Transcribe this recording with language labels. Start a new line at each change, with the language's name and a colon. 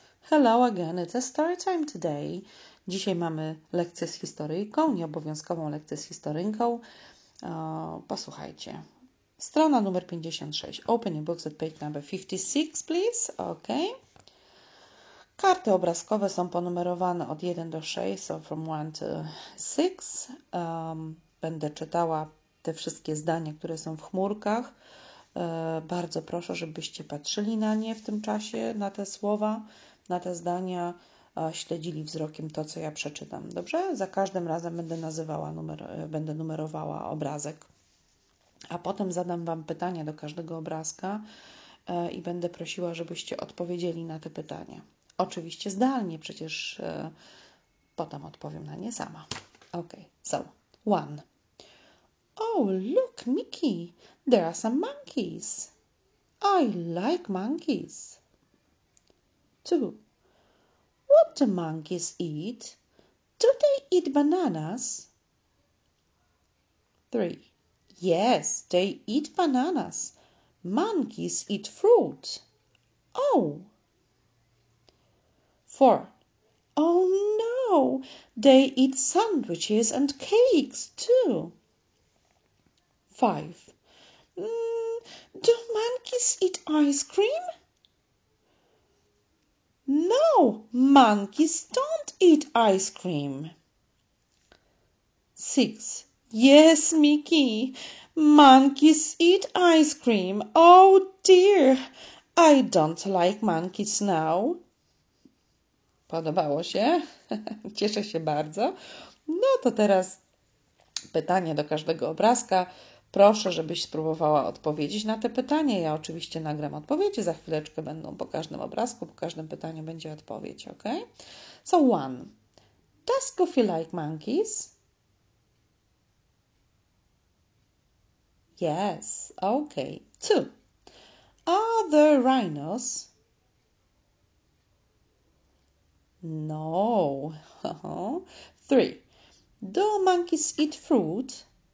English: Hello again, it's a story time today.
Polish: Dzisiaj mamy lekcję z historyjką, nieobowiązkową lekcję z historyjką. Posłuchajcie. Strona numer 56. Open your books at page number 56, please. OK. Karty obrazkowe są ponumerowane od 1 do 6,
English: so from 1 to 6.
Polish: Będę czytała te wszystkie zdania, które są w chmurkach. Bardzo proszę, żebyście patrzyli na nie w tym czasie, na te słowa, na te zdania, śledzili wzrokiem to, co ja przeczytam. Dobrze? Za każdym razem będę numerowała obrazek. A potem zadam Wam pytania do każdego obrazka i będę prosiła, żebyście odpowiedzieli na te pytania. Oczywiście zdalnie, przecież potem odpowiem na nie sama.
English: Ok, so, one. Oh, look, Mickey, there are some monkeys. I like monkeys. Two. What do monkeys eat? Do they eat bananas? Three. Yes, they eat bananas. Monkeys eat fruit. Oh! Four. Oh no! They eat sandwiches and cakes too. Five. Do monkeys eat ice cream? No, monkeys don't eat ice cream. Six. Yes, Mickey, monkeys eat ice cream. Oh dear, I don't like monkeys now.
Polish: Podobało się? Cieszę się bardzo. No to teraz pytanie do każdego obrazka. Proszę, żebyś spróbowała odpowiedzieć na te pytanie. Ja oczywiście nagram odpowiedzi. Za chwileczkę będą po każdym obrazku, po każdym pytaniu będzie odpowiedź, ok?
English: So one. Does Goofy like monkeys? Yes, ok. Two. Are there rhinos? No. Three. Do monkeys eat fruit?